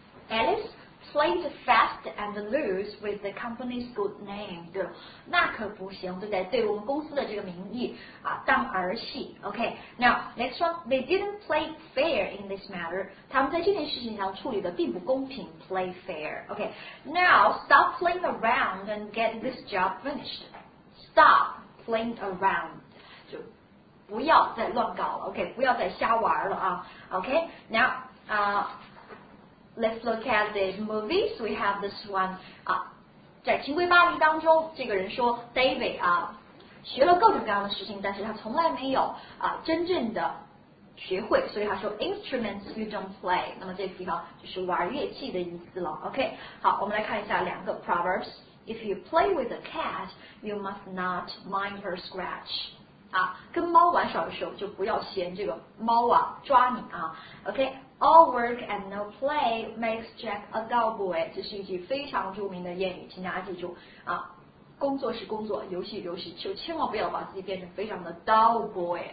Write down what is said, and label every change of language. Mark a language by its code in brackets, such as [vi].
[en] Alice played fast and loose with the company's good name， [zh] 对，那可不行，对不对？对我们公司的这个名义啊，当儿戏。 [en] OK， now next one， they didn't play fair in this matter， [zh] 他们在这件事情上处理的并不公平。 [en] Play fair， OK， now stop playing around and get this job finished， stop playing around， [zh] 就不要再乱搞了。 [en] OK， [zh] 不要再瞎玩了啊。 [en] OK， now Let's look at the movies. We have this one. [zh] 啊，在《情归巴黎》当中，这个人说 David 啊，学了各种各样的事情，但是他从来没有啊真正的学会，所以他说 [en] instruments you don't play. [zh] 那么这个地方就是玩乐器的意思了。 OK， 好，我们来看一下两个 proverbs. [en] If you play with a cat, you must not mind her scratch. [zh] 啊，跟猫玩耍的时候就不要嫌这个猫啊抓你啊。 OK。 [en] All work and no play makes Jack a dull boy， [zh] 这是一句非常著名的谚语，请大家记住啊，工作是工作，游戏游戏，就千万不要把自己变成非常的 dull boy。